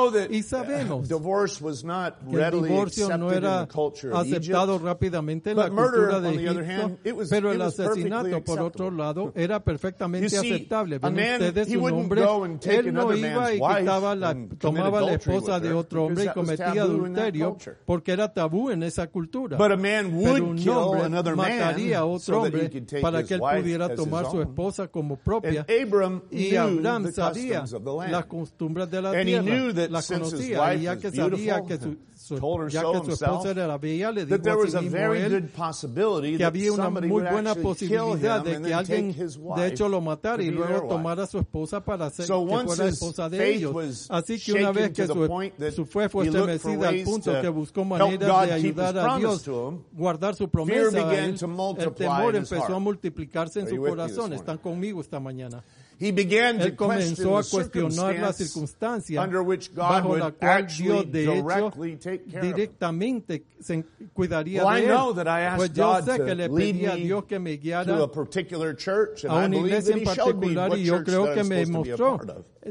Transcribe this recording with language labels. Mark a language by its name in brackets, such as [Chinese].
[Spanish] Y sabemos que el divorcio no era aceptado rápidamente en la cultura de Egipto, pero el asesinato, por otro lado, era perfectamente aceptable. Ven ustedes, un hombre, él no iba y tomaba la esposa de otro hombre y cometía adulterio porque era tabú en esa cultura. [English] But a man would kill another man so that he could take his wife as his own. [Spanish] Para que él pudiera tomar su esposa como propia. [English] And Abram knew the customs of the land. [Spanish] Las costumbres de la tierra. [English] And he knew that since his wife was beautiful, [Spanish] ya que su esposa era bella, le dijo a sí mismo él que había una muy buena posibilidad de que alguien de hecho lo matara y luego tomara su esposa para hacer que fuera esposa de ellos. Así que una vez que su fe fue estremecida al punto que buscó maneras de ayudar a Dios guardar su promesa, el temor empezó a multiplicarse en su corazón. Están conmigo esta mañana. [English] He began to question the circumstance under which God would actually directly take care of him. I know that I asked God to lead me to a particular church, and I believe that he showed me what church that I'm supposed to be a part of.